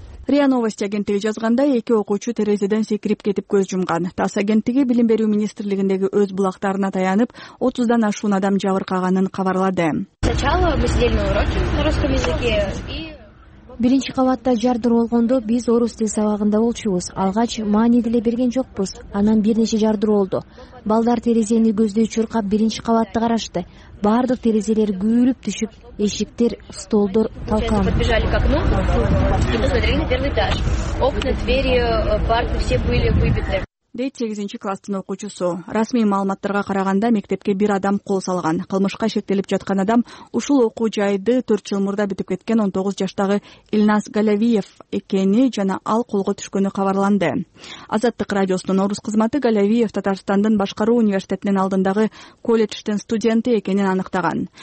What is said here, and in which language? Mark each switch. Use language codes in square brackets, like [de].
[ky] РИА Новости агенттиги жазгандай, 2 окуучу терезеден секирип кетип көз жумган. ТАСС агенттиги Билим берүү министрлигиндеги өз булактарына таянып, 30 ашуун адам жабыркаганын кабарлады. [ru] Сначала мы сидели на уроке на русском языке. [ky] Биринчи кабатта жардыр болгондо биз орус тил сабагында болчубуз. Алгач маани деле берген жокпуз. Анан бир нече жардыр болду. Балдар терезени көздөй чуркап биринчи кабатты карашты. Бардык терезелер күйүлүп түшүп, эшиктер, столдор талкан. [ru] Подбежали к окну, посмотрели на первый этаж. Окна, двери, парты все были выбиты. [ky] Дейт 8-класстын окуучусу. Расмий маалыматтарга караганда мектепке 1 адам кол салган. Кылмышка шектелип жаткан адам ушул окуу жайды 4 жыл мурда бүтүп кеткен 19 жаштагы Илнас Галявиев экени жана ал колго түшкөнү кабарланды. Азаттык радиосунун орус кызматы Галявиев Татарстандын башкаруу университетинин алдындагы колледждин студенти экенин аныктаган.